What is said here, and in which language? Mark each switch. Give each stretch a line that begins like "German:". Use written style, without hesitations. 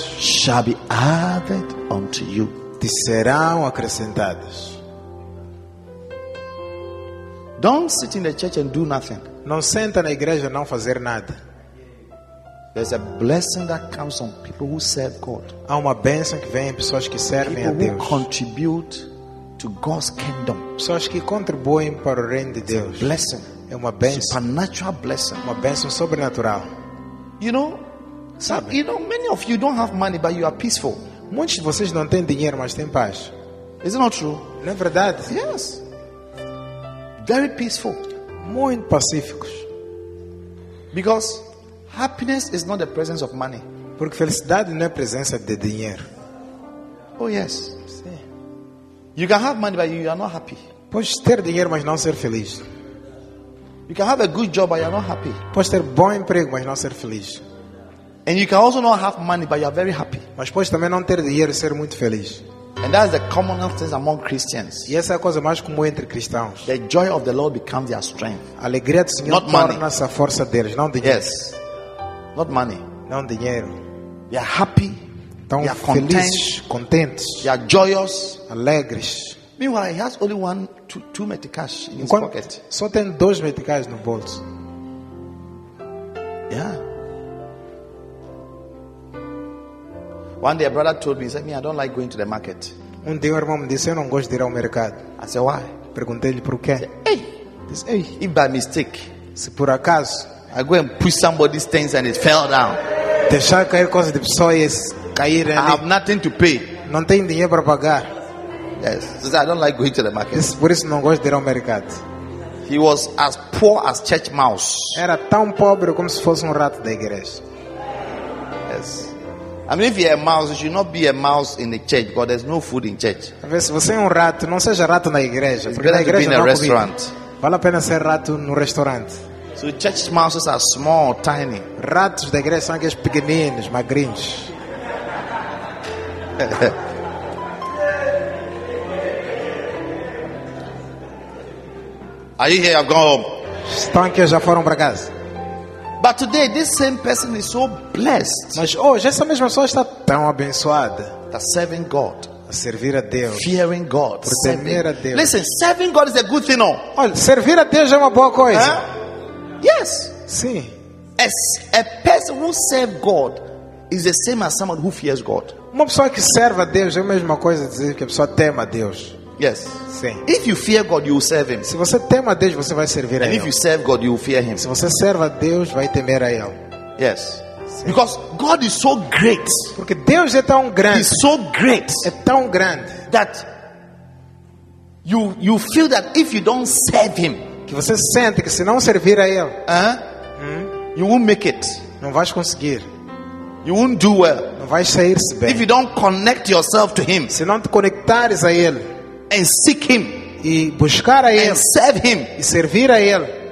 English: shall be added unto you,
Portuguese: te serão acrescentadas.
English: Don't sit in the church and do nothing.
Portuguese: Não senta na igreja não fazer nada.
English: There's a blessing that comes on people who serve God.
Portuguese: Há uma bênção que vem em pessoas que servem
English: people
Portuguese: a Deus.
English: Who contribute to God's kingdom.
Portuguese: Pessoas que contribuem para o reino de Deus.
English: It's a blessing.
Portuguese: É uma bênção.
English: Supernatural blessing.
Portuguese: Uma bênção sobrenatural.
English: You know, some, you know, many of you don't have money, but you are peaceful.
Portuguese: Muitos de vocês não têm dinheiro, mas têm paz.
English: Is it not true?
Portuguese: Não é verdade?
English: Yes. Very peaceful.
Portuguese: Muito pacíficos.
English: Because happiness is not the presence of money.
Portuguese: Porque felicidade não é presença de dinheiro.
English: Oh yes.
Portuguese: Sim.
English: You can have money, but you are not happy.
Portuguese: Podes ter dinheiro, mas não ser feliz.
English: You can have a good job but you are not happy.
Portuguese: Pode ter bom emprego, mas não ser feliz.
English: And you can also not have money but you are very happy.
Portuguese: Mas pode também não ter dinheiro e ser muito feliz.
English: And that is the commonest thing among Christians.
Portuguese: E essa é a coisa mais comum entre cristãos.
English: The joy of the Lord becomes their strength.
Portuguese: A alegria do Senhor torna-se a força deles, não dinheiro.
English: Yes. Not money.
Portuguese: Não dinheiro.
English: They are happy.
Portuguese: Tão
English: they are
Portuguese: felizes,
English: content.
Portuguese: Contentes.
English: They are joyous.
Portuguese: Alegres.
English: Meanwhile, he has only one, two meticais in his pocket.
Portuguese: Só tem dois meticais no bolso.
English: Yeah. One day, a brother told me, he said, "Me, I don't like going to the market."
Portuguese: Um dia, o irmão me disse, "Eu não gosto de ir ao mercado."
English: I said, "Why?"
Portuguese: Perguntei-lhe por quê.
English: Hey, this, hey. If by mistake,
Portuguese: se por acaso,
English: I go and push somebody's things and it fell down.
Portuguese: Deixar cair coisas de pessoas cair.
English: I have nothing to pay.
Portuguese: Não tenho dinheiro para pagar.
English: Yes, I don't like going to the market.
Portuguese: Por isso não gosto de ir ao mercado.
English: He was as poor as church mouse.
Portuguese: Era tão pobre como se fosse rato da igreja.
English: Yes. I mean, if you're a mouse, you should not be a mouse in the church, because there's no food in church.
Portuguese: Talvez se você é rato, não seja rato na igreja.
English: It's better
Portuguese: igreja
English: to be in a restaurant.
Portuguese: Vale a pena ser rato no restaurante.
English: So church mouses are small, tiny.
Portuguese: Ratos da igreja são aqueles pequeninos, magrinhos.
English: Are you here? I've gone home.
Portuguese: Estão aqui, já foram para casa.
English: But today, this same person is so blessed.
Portuguese: Mas hoje, essa mesma pessoa está tão abençoada.
English: That serving God.
Portuguese: A servir a Deus.
English: Fearing God.
Portuguese: Por temer a Deus.
English: Listen, serving God is a good thing, no?
Portuguese: Olha, servir a Deus é uma boa coisa.
English: Huh? Yes.
Portuguese: Sim.
English: A person who serves God is the same as someone who fears God.
Portuguese: Uma pessoa que serve a Deus é a mesma coisa dizer que a pessoa teme a Deus.
English: Yes.
Portuguese: Sim.
English: If you fear God, you will serve him.
Portuguese: Se você teme a Deus, você vai servir a ele.
English: And if you serve God, you will fear him.
Portuguese: Se você serve a Deus, vai temer a ele.
English: Yes.
Portuguese: Sim.
English: Because God is so great.
Portuguese: Porque Deus é tão grande.
English: He's so great.
Portuguese: É tão grande.
English: That you feel that if you don't serve him,
Portuguese: que você sente que se não servir a ele,
English: you won't make it.
Portuguese: Não vais conseguir.
English: You won't do well.
Portuguese: Não vais sair-se bem.
English: If you don't connect yourself to him,
Portuguese: se não te conectares a ele,
English: and seek him,
Portuguese: e buscar a ele,
English: and serve him,
Portuguese: e servir a ele.